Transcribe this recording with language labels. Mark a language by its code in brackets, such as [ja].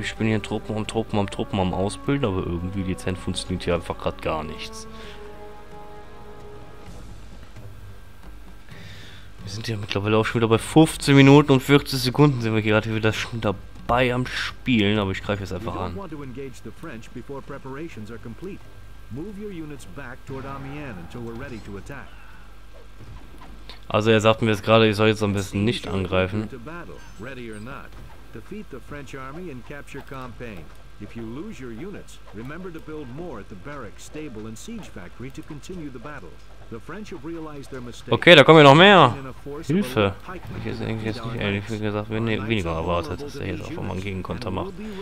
[de] Ich bin hier Truppen am Ausbilden, aber irgendwie dezent funktioniert hier einfach gerade gar nichts. Wir sind ja mittlerweile auch schon wieder bei 15 Minuten und 40 Sekunden sind wir gerade wieder schon dabei. Bei am Spielen, aber ich greife es einfach an. [en] Want to engage the French before preparations are complete. Move your units back toward Amiens until we're ready to attack. [de] Also er sagt mir jetzt gerade, ich soll jetzt am besten nicht angreifen. [en] Ready or not, defeat the French army and capture Compiègne. If you lose your units, remember to build more at the barracks, stable and siege factory to continue the battle. The French have realized their mistake. [de] Okay, da kommen ja noch mehr. Hilfe. Ich hätte eigentlich jetzt nicht ehrlich gesagt weniger erwartet, dass er jetzt auch mal einen Gegenkonter macht.